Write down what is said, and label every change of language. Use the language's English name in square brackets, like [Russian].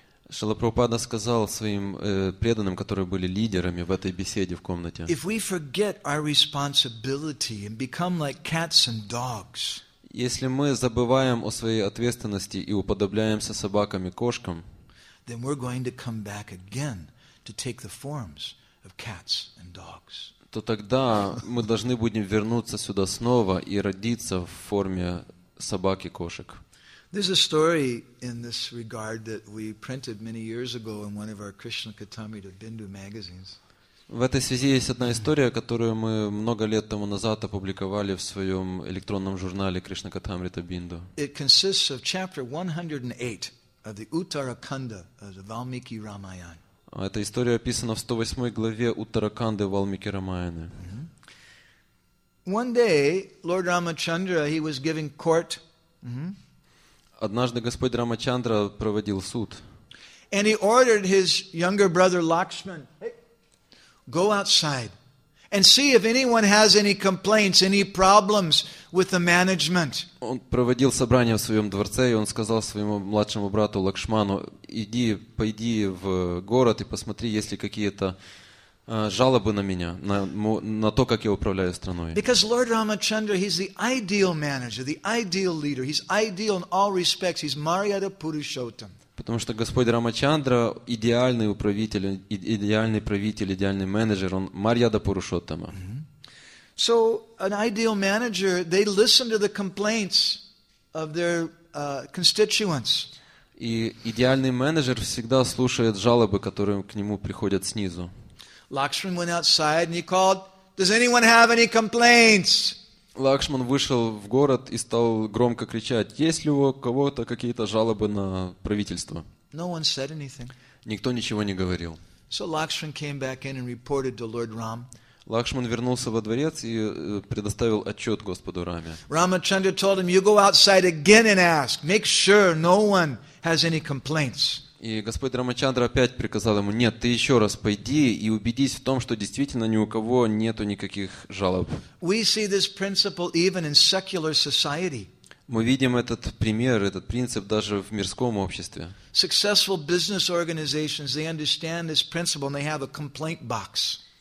[Russian] Шрила Прабхупада сказал своим преданным, которые были лидерами в этой беседе в комнате, [English] if we forget our responsibility and become like cats and dogs, [Russian] если мы забываем о своей ответственности и уподобляемся собакам и кошкам, [English] then we're going to come back again to take the forms of cats and dogs. [Russian] То тогда мы должны будем вернуться сюда снова и родиться в форме собак и кошек. [English] There's a story in this regard that we printed many years ago in one of our Krishna Katamrita Bindu magazines. [Russian] В этой связи есть одна история, которую мы много лет тому назад опубликовали в своем электронном журнале Krishna Katamrita Bindu. [English] It consists of chapter 108. Of the Uttarakhanda of the Valmiki Ramayana. [Russian] Эта история описана в 108 главе Уттараканды Валмики Рамаяны. [English] One day, Lord Ramachandra, he was giving court. [Russian] Однажды Господь Рамачандра проводил суд. [English] And he ordered his younger brother Lakshman, go outside and see if anyone has any complaints, any problems with the management. [Russian] Он проводил собрание в своем дворце, и он сказал своему младшему брату Лакшману, иди, пойди в город и посмотри, есть ли какие-то жалобы на меня, на то, как я управляю страной. [English] Because Lord Ramachandra, he's the ideal manager, the ideal leader. He's ideal in all respects. He's Maryada Purushottam. [Russian] Потому что Господь Рамачандра – идеальный управитель, идеальный правитель, идеальный менеджер. Он Марьяда Пурушоттама. [English] So, an ideal manager, they listen to the complaints of their constituents. [Russian] И идеальный менеджер всегда слушает жалобы, которые к нему приходят снизу. [English] Лакшман went outside and he called, "Does anyone have any complaints?" [Russian] Лакшман вышел в город и стал громко кричать: "Есть ли у кого-то какие-то жалобы на правительство?" [English] No one said anything. [Russian] Никто ничего не говорил. [English] So Lakshman came back in and reported to Lord Ram. [Russian] Лакшман вернулся во дворец и предоставил отчет Господу Раме. [English] Рамачандра told him, "You go outside again and ask. Make sure no one has any complaints." [Russian] И Господь Рамачандра опять приказал ему: "Нет, ты еще раз пойди и убедись в том, что действительно ни у кого нету никаких жалоб." [English] We see this principle even in secular society. [Russian] Мы видим этот пример, этот принцип даже в мирском обществе. [English] Successful business organizations, they understand this principle and they have a complaint box.